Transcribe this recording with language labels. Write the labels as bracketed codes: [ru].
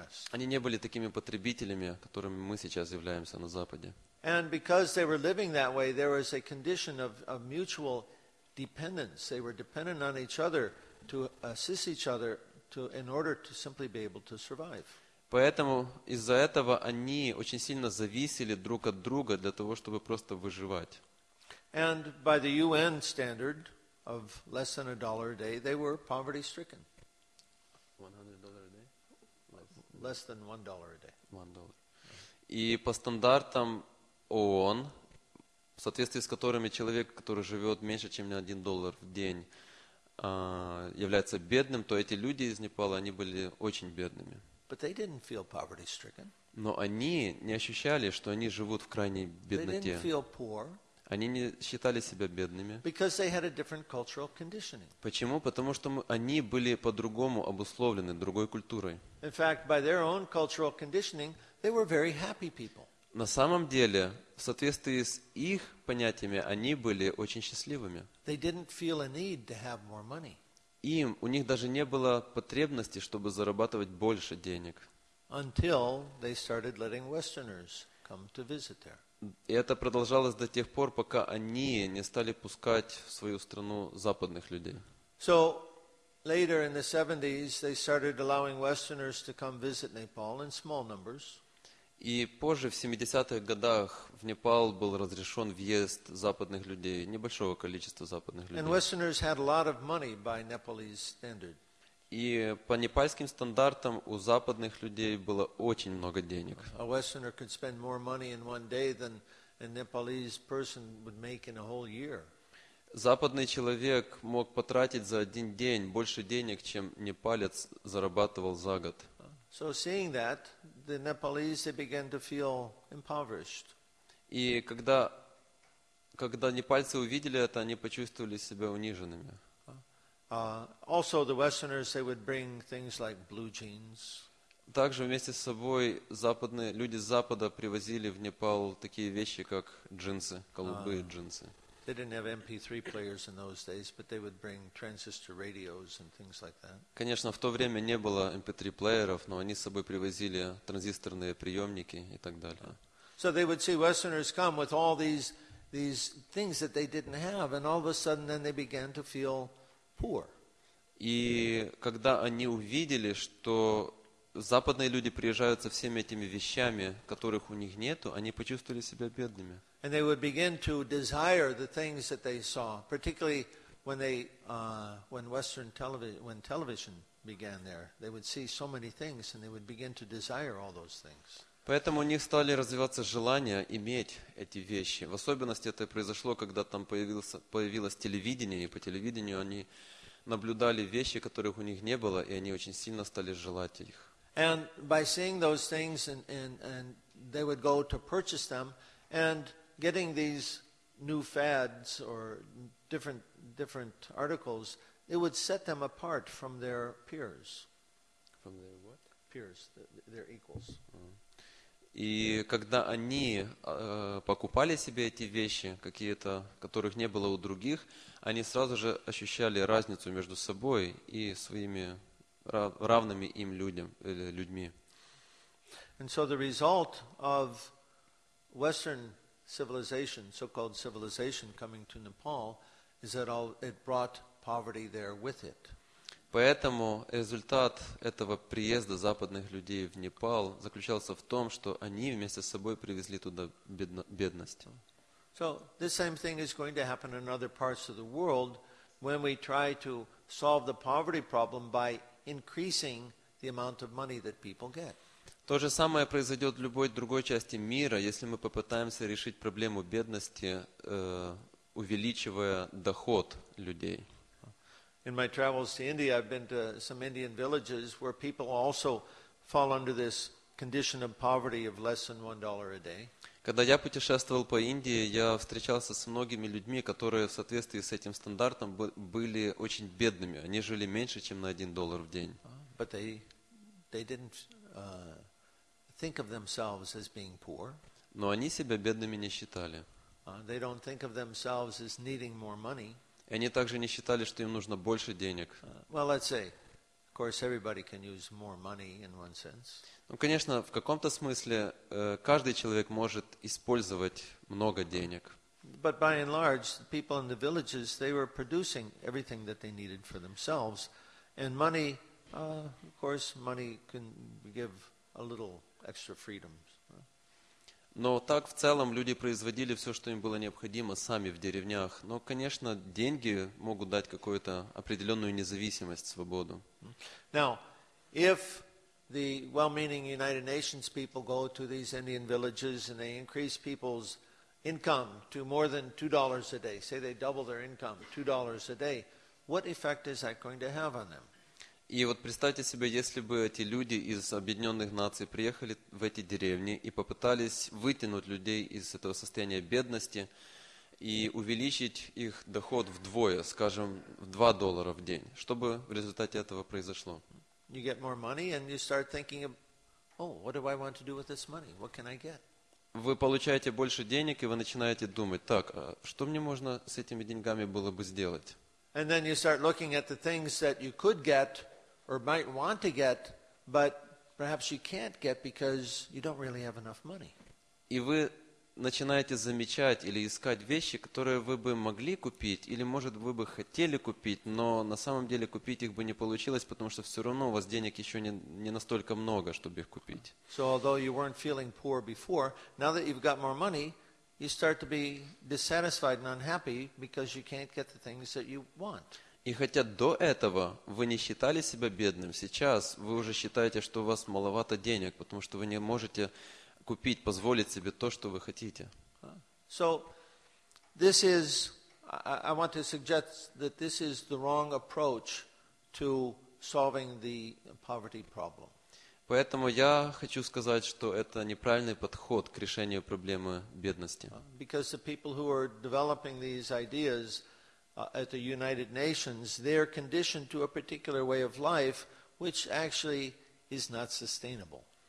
[ru] Они не были такими потребителями, которыми мы сейчас являемся на Западе. [en] And because they were living that way, there was a condition of mutual dependence. They were dependent on each other to assist each other to, in order to simply be able to survive. [ru] Поэтому из-за этого они очень сильно зависели друг от друга для того, чтобы просто выживать. [en] And by the UN standard of less than $1 a day, they were poverty stricken. $100 a day? Less than $1 a day. $1. [ru] И по стандартам ООН, в соответствии с которыми человек, который живет меньше, чем на $1 в день, является бедным, то эти люди из Непала, они были очень бедными. [en] But they didn't feel poverty stricken. [ru] Но они не ощущали, что они живут в крайней бедноте. [en] They didn't feel poor. [ru] Они не считали себя бедными. [en] Because they had a different cultural conditioning. [ru] Почему? Потому что они были по-другому обусловлены, другой культурой. [en] In fact, by their own cultural conditioning, they were very happy people. [ru] На самом деле, в соответствии с их понятиями, они были очень счастливыми. [en] They didn't feel a need to have more money. [ru] Им, у них даже не было потребности, чтобы зарабатывать больше денег. [en] Until they started letting Westerners come to visit there. [ru] И это продолжалось до тех пор, пока они не стали пускать в свою страну западных людей. [en] So, later in the 70s, they started allowing Westerners to come visit Nepal in small numbers. [ru] И позже, в 70-х годах, в Непал был разрешен въезд западных людей, небольшого количества западных людей. [en] And Westerners had a lot of money by Nepalese standard. [ru] И по непальским стандартам у западных людей было очень много денег. [en] A Westerner could spend more money in one day than a Nepalese person would make in a whole year. [ru] Западный человек мог потратить за один день больше денег, чем непалец зарабатывал за год. [en] So seeing that, the Nepalese they began to feel impoverished. [ru] И когда непальцы увидели это, они почувствовали себя униженными. [en] Also, the Westerners they would bring things like blue jeans. [ru] Также вместе с собой западные люди с Запада привозили в Непал такие вещи, как джинсы, голубые джинсы. [en] They didn't have MP3 players in those days, but they would bring transistor radios and things like that. [ru] Конечно, в то время не было MP3 плееров, но они с собой привозили транзисторные приемники и так далее. [en] So they would see Westerners come with all these things that they didn't have, and all of a sudden, then they began to feel poor. [ru] И когда они увидели, что западные люди приезжают со всеми этими вещами, которых у них нету, они почувствовали себя бедными. [en] And they would begin to desire the things that they saw, particularly when television began there. They would see so many things and they would begin to desire all those things. [ru] Поэтому у них стали развиваться желания иметь эти вещи. В особенности это произошло, когда там появилось телевидение, и по телевидению они наблюдали вещи, которых у них не было, и они очень сильно стали желать их. [en] And by seeing those things and they would go to purchase them and getting these new fads or different articles, it would set them apart from their peers. From their what? Peers, their equals. [ru] И когда они покупали себе эти вещи, какие-то, которых не было у других, они сразу же ощущали разницу между собой и своими равными им людьми. [en] And so the result of Western civilization, so-called civilization coming to Nepal, is that all it brought poverty there with it. [ru] Поэтому результат этого приезда западных людей в Непал заключался в том, что они вместе с собой привезли туда бедность. [en] So this same thing is going to happen in other parts of the world when we try to solve the poverty problem by increasing the amount of money that people get. [ru] То же самое произойдет в любой другой части мира, если мы попытаемся решить проблему бедности, увеличивая доход людей. [en] In my travels to India, I've been to some Indian villages where people also fall under this condition of poverty of less than $1 a day. [ru] Когда я путешествовал по Индии, я встречался с многими людьми, которые в соответствии с этим стандартом были очень бедными. Они жили меньше, чем на $1 в день. [en] But they didn't think of themselves as being poor. [ru] Но они себя бедными не считали. [en] They don't think of themselves as needing more money. [ru] И они также не считали, что им нужно больше денег. [en] Well, let's say, of course, everybody can use more money in one sense. [ru] Ну, конечно, в каком-то смысле каждый человек может использовать много денег. [en] But by and large, the people in the villages, they were producing everything that they needed for themselves, and money, of course, money can give a little extra freedom. [ru] Но так в целом люди производили все, что им было необходимо сами в деревнях. Но, конечно, деньги могут дать какую-то определенную независимость, свободу. [en] Now, if the well-meaning United Nations people go to these Indian villages and they increase people's income to more than $2 a day, say they double their income, $2 a day, what effect is that going to have on them? [ru] И вот представьте себе, если бы эти люди из Объединенных Наций приехали в эти деревни и попытались вытянуть людей из этого состояния бедности и увеличить их доход вдвое, скажем, в $2 в день. Что бы в результате этого произошло? [en] You get more money and you start thinking, oh, what do I want to do with this money? What can I get? [ru] Вы получаете больше денег и вы начинаете думать, так, а что мне можно с этими деньгами было бы сделать? [en] And then you start looking at the things that you could get or might want to get, but perhaps you can't get because you don't really have enough money. [ru] И вы начинаете замечать или искать вещи, которые вы бы могли купить или, может, вы бы хотели купить, но на самом деле купить их бы не получилось, потому что все равно у вас денег еще не настолько много, чтобы их купить. [en] So although you weren't feeling poor before, now that you've got more money, you start to be dissatisfied and unhappy because you can't get the things that you want. [ru] И хотя до этого вы не считали себя бедным, сейчас вы уже считаете, что у вас маловато денег, потому что вы не можете купить, позволить себе то, что вы хотите. [en] So this is, I want to suggest that this is the wrong approach to solving the poverty problem. [ru] Поэтому я хочу сказать, что это неправильный подход к решению проблемы бедности. [en] Because the people who are developing these ideas at the United Nations, they're conditioned to a particular way of life, which actually is not sustainable.